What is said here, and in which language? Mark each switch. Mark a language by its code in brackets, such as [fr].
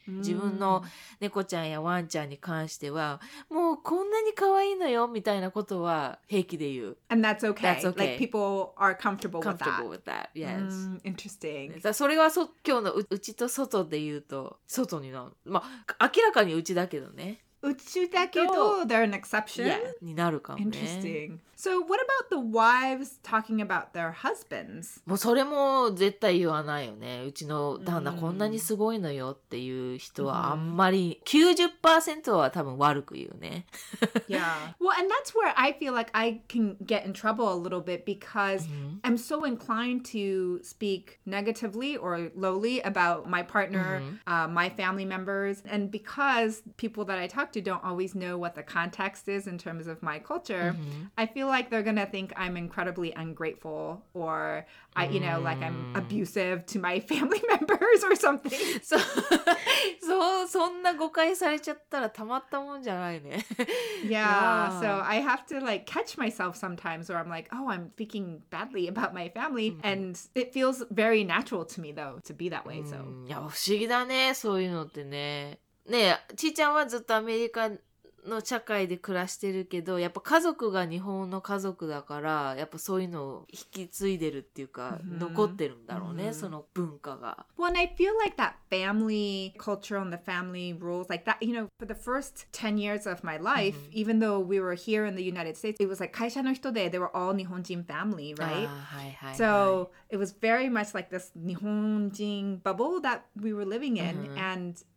[ja] 自分の猫ちゃんやワンちゃんに関してはもうこんなに可愛いのよみたいなことは平気で言う。 [en] And that's okay. That's okay. Like people are comfortable with that. Comfortable with that. Yes. Interesting. [ja] それは今日のうちと外で言うと外になる。まあ明らかにうちだけどね。うちだけど [en] they're an exception. [ja] Yeah. になるかもね。 [en] Interesting. So what about the wives talking about their husbands? [ja] もうそれも絶対言わないよね。うちの旦那こんなにすごいのよっていう人はあんまり 90% は多分悪く言うね。 [en] Yeah. Well, and that's where I feel like I can get in trouble a little bit because I'm so inclined to speak negatively or lowly about my partner, my family members. And because people that I talk to don't always know what the context is in terms of my culture, I feel like they're gonna think I'm incredibly ungrateful or I, you know, like I'm abusive to my family members or something. [ja] So, so, そんな誤解されちゃったらたまったもんじゃないね。 [en] Yeah, so I have to like catch myself sometimes where I'm like, oh, I'm speaking badly about my family. And it feels very natural to me though to be that way. So, [ja] yeah, 不思議だね、そういうのってね。ねえ、ちーちゃんはずっとアメリカの社会で暮らしてるけど、やっぱ家族が日本の家族だから、やっぱそういうのを引き継いでるっていうか、残ってるんだろうね、その文化が。 [en] Well, I feel like that family culture and the family rules, like that, you know, for the first 10 years of my life, even though we were here in the United States, it was like [ja] 会社の人で、 [en] they were all 日本人 family, right? So it was very much like this 日本人 bubble that we were living in, and...